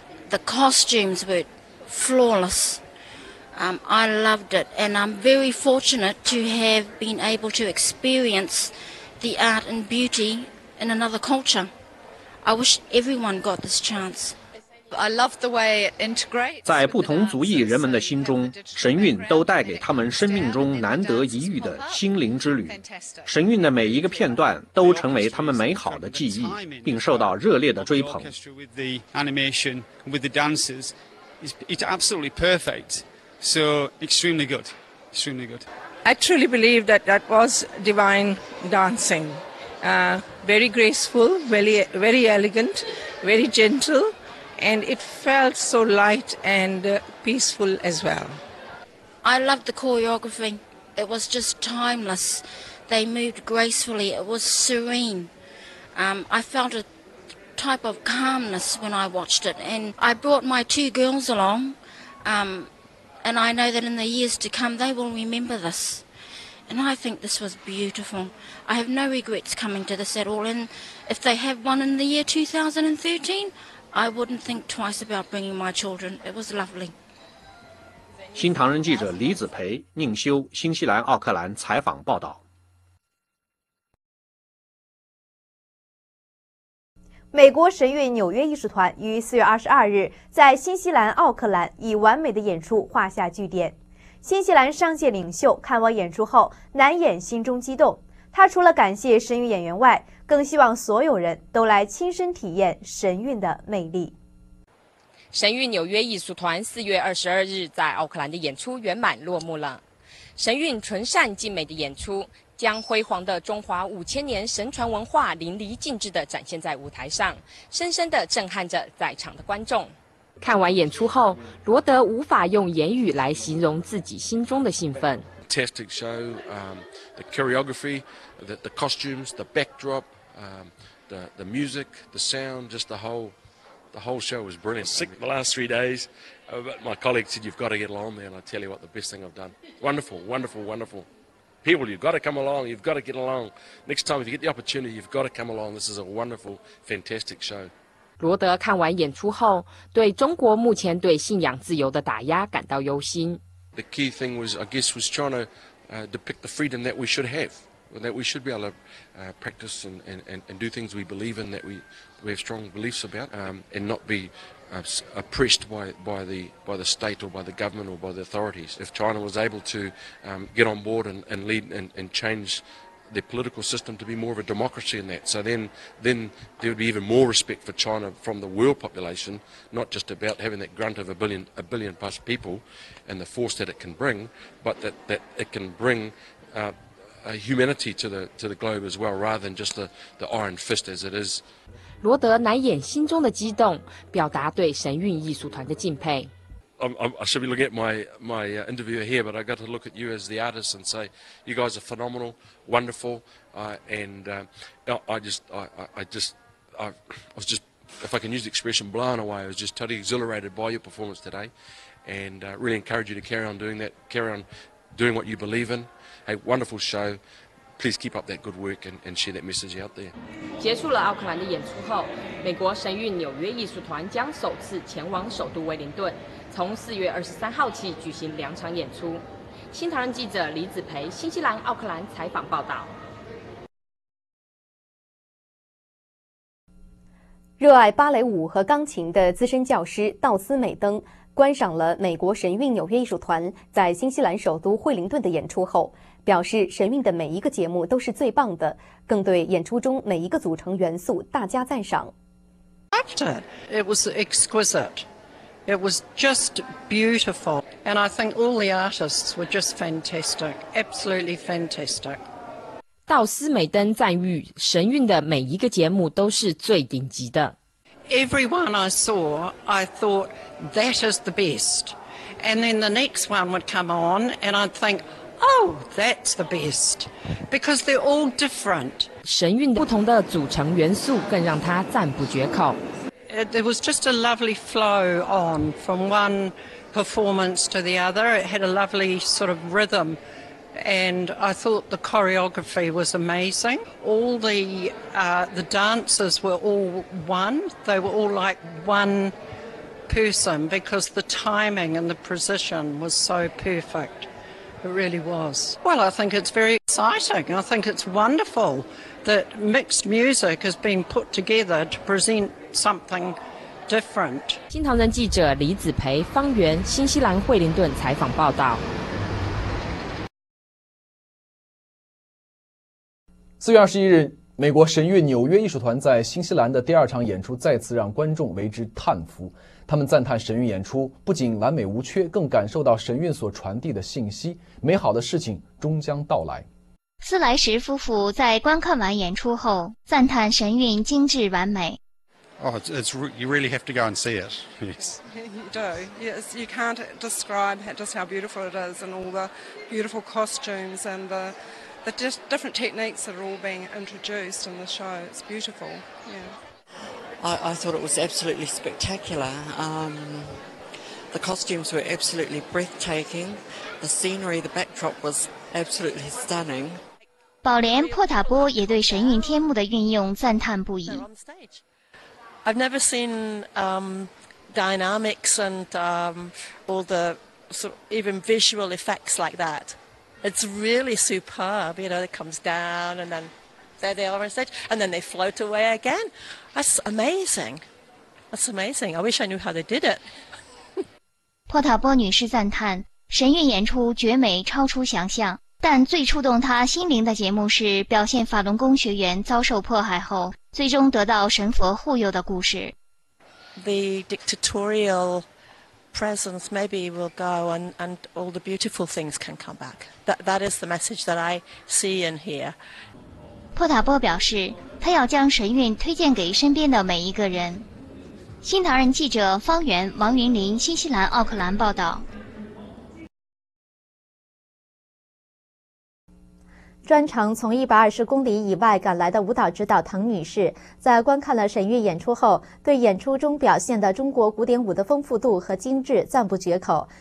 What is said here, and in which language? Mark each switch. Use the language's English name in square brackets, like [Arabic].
[English] The costumes were flawless. I loved it, and I'm very fortunate to have been able to experience the art and beauty in another culture. I wish everyone got this chance. I love the way it integrates. [Chinese] 在不同族裔人们的心中，神韵都带给他们生命中难得一遇的心灵之旅。神韵的每一个片段都成为他们美好的记忆，并受到热烈的追捧。 [English] The animation with the dancers is absolutely perfect. So extremely good, extremely good. I truly believe that that was divine dancing. Very graceful, very, very elegant, very gentle, and it felt so light and peaceful as well. I loved the choreography. It was just timeless. They moved gracefully. It was serene. I felt a type of calmness when I watched it. And I brought my two girls along. And I know that in the years to come, they will remember this. And I think this was beautiful. I have no regrets coming to this at all. And if they have one in the year 2013, I wouldn't think twice about bringing my children. It was lovely. [Chinese] 新唐人记者李子培、宁修，新西兰奥克兰采访报道。美国神韵纽约艺术团于4月22日在新西兰奥克兰以完美的演出画下句点。新西兰商界领袖看完演出后难掩心中激动，他除了感谢神韵演员外，更希望所有人都来亲身体验神韵的魅力。神韵纽约艺术团4月22日在奥克兰的演出圆满落幕了。神韵纯善尽美的演出将辉煌的中华5000年神传文化淋漓尽致地展现在舞台上，深深地震撼着在场的观众。看完演出后，罗德无法用言语来形容自己心中的兴奋。 [English] Fantastic show, the choreography, the costumes, the backdrop, the music, the sound, just the whole show was brilliant. Sick the last 3 days, but my colleague said you've got to get along there, and I tell you what, the best thing I've done. Wonderful, wonderful, wonderful. People, you've got to come along, you've got to get along. Next time, if you get the opportunity, you've got to come along. This is a wonderful, fantastic show. [Chinese] 罗德看完演出后，对中国目前对信仰自由的打压感到忧心。 [English] The key thing was, I guess, was trying to depict the freedom that we should have, that we should be able to practice and do things we believe in, that we have strong beliefs about, and not be oppressed by the state or by the government or by the authorities. If China was able to get on board and lead and change their political system to be more of a democracy in that, so then there would be even more respect for China from the world population, not just about having that grunt of a billion plus people and the force that it can bring, but that it can bring humanity to the globe as well, rather than just the iron fist as it is. [Chinese] 罗德难掩心中的激动，表达对神韵艺术团的敬佩。 [English] I should be looking at my interviewer here, but I got to look at you as the artist and say, you guys are phenomenal, wonderful, and I was just, if I can use the expression, blown away. I was just totally exhilarated by your performance today, and really encourage you to carry on doing that, carry on doing what you believe in. Hey, wonderful show. Please keep up that good work and share that message out there. [Chinese] 结束了奥克兰的演出后，美国神韵纽约艺术团将首次前往首都威灵顿。从4月23号起举行两场演出。新唐人记者李子培，新西兰奥克兰采访报道。热爱芭蕾舞和钢琴的资深教师道斯美登观赏了美国神韵纽约艺术团在新西兰首都惠灵顿的演出后，表示神韵的每一个节目都是最棒的，更对演出中每一个组成元素大加赞赏。 [English] It was exquisite. It was just beautiful, and I think all the artists were just fantastic, absolutely fantastic. [Chinese] 道斯美登赞誉神韵的每一个节目都是最顶级的。 [English] Everyone I saw, I thought that is the best, and then the next one would come on, and I'd think, oh, that's the best, because they're all different. [Chinese] 神韵的不同的组成元素更让他赞不绝口。 [English] There was just a lovely flow on from one performance to the other. It had a lovely sort of rhythm, and I thought the choreography was amazing. All the dancers were all one. They were all like one person because the timing and the precision was so perfect. It really was. Well, I think it's very exciting. I think it's wonderful. That mixed music has been put together to present something different. [Chinese] 新唐人记者李子培、方圆，新西兰惠灵顿采访报道。 4月21日，美国神韵纽约艺术团在新西兰的第二场演出再次让观众为之叹服。他们赞叹神韵演出不仅完美无缺，更感受到神韵所传递的信息：美好的事情终将到来。斯莱什夫妇在观看完演出后赞叹神韵精致完美。 [English] Oh, it's you really have to go and see it. Yes. You do. Yes, you can't describe just how beautiful it is and all the beautiful costumes and the different techniques that are all being introduced in the show. It's beautiful. Yeah. I thought it was absolutely spectacular. The costumes were absolutely breathtaking. The scenery, the backdrop was absolutely stunning. [Chinese] 宝莲·珀塔波也对神韵天幕的运用赞叹不已。 [English] I've never seen dynamics and all the sort of even visual effects like that. It's really superb. You know, it comes down and then there they are on stage, and then they float away again. That's amazing. That's amazing. I wish I knew how they did it. [Chinese] 珀塔波女士赞叹神韵演出绝美，超出想象。但最触动他心灵的节目是表现法轮功学员遭受迫害后最终得到神佛护佑的故事。 [English] The dictatorial presence maybe will go and all the beautiful things can come back. That is the message that I see and hear. [Chinese] 珀塔波表示他要将神韵推荐给身边的每一个人。新唐人记者方圆、王云林，新西兰奥克兰报道。专程从120公里以外赶来的舞蹈指导唐女士，在观看了神韵演出后，对演出中表现的中国古典舞的丰富度和精致赞不绝口。